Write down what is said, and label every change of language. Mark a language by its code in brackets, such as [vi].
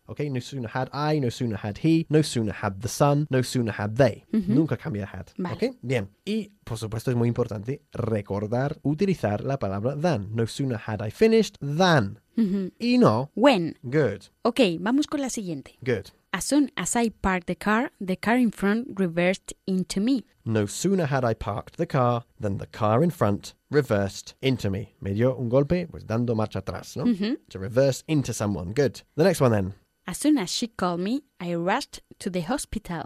[en] Okay, no sooner had I, no sooner had he, no sooner had the sun, no sooner had they. Mm-hmm. [es] Nunca cambia had. Vale. Okay, bien. Y, por supuesto, es muy importante recordar, utilizar la palabra than. [en] No sooner had I finished than. Mm-hmm. [es] Y no. [en] When. Good. [es] Okay, vamos con la siguiente. [en] Good. As soon as I parked the car in front reversed into me. No sooner had I parked the car than the car in front reversed into me. [es] Me dio un golpe, pues dando marcha atrás, ¿no? Mm-hmm. [en] To reverse into someone. Good. The next one then. As soon as she called me, I rushed to the hospital.